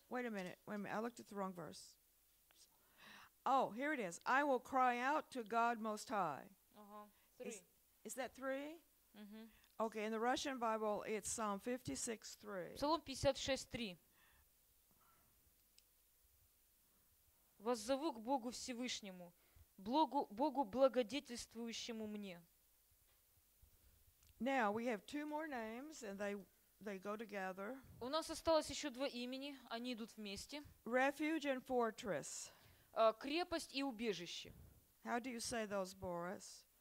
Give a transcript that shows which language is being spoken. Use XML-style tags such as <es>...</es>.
<en>Wait a minute. I looked at the wrong verse. Oh, here it is. I will cry out to God Most High. Uh-huh. Three. Is that three? Mm-hmm. Okay, in the Russian Bible, it's Psalm 56:3.</en> <ru>Псалом 56:3. Воззову к Богу Всевышнему, Богу благодетельствующему мне.</ru> <en>Now we have two more names, and they go together.</en> <ru>У нас осталось еще два имени, они идут вместе.</ru> <en>Refuge and fortress.</en> <ru>Крепость и убежище.</ru> <en>How do you say those, Boris?</en>